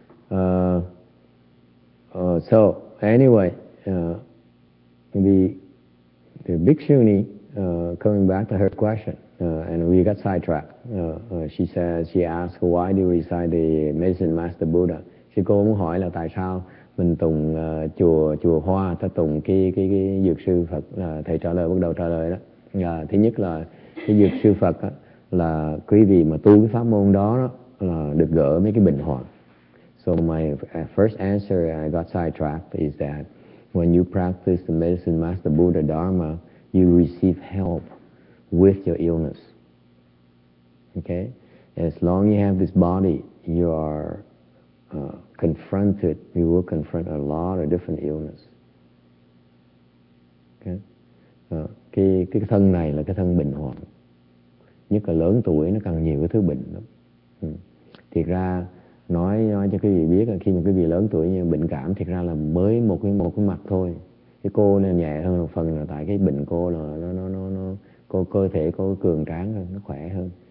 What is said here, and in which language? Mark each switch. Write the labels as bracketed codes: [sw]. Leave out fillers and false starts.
[en] So anyway, the Bhikshuni, coming back to her question, and we got sidetracked. She asked, why do you recite the Medicine Master Buddha? [vi] Sư cô muốn hỏi là tại sao mình tụng chùa Hoa, ta tụng cái dược sư Phật. Thầy trả lời, bắt đầu trả lời đó. Thứ nhất là cái dược sư Phật đó, là quý vị mà tu cái pháp môn đó là được gỡ mấy cái bệnh hoạn. [en] So my first answer I got sidetracked is that when you practice the Medicine Master Buddha Dharma, you receive help with your illness. Okay? As long you have this body, you are confronted, we will confront a lot of different illness. Okay. [vi] Cái thân này là cái thân bệnh hoạn. Nhất là lớn tuổi nó càng nhiều cái thứ bệnh lắm. Thiệt ra nói cho quý vị biết là khi mà quý vị lớn tuổi như bệnh cảm, thiệt ra là mới một cái mặt thôi. Cái cô này nhẹ hơn một phần là tại cái bệnh cô là nó cô cơ thể cô cường tráng hơn, nó khỏe hơn.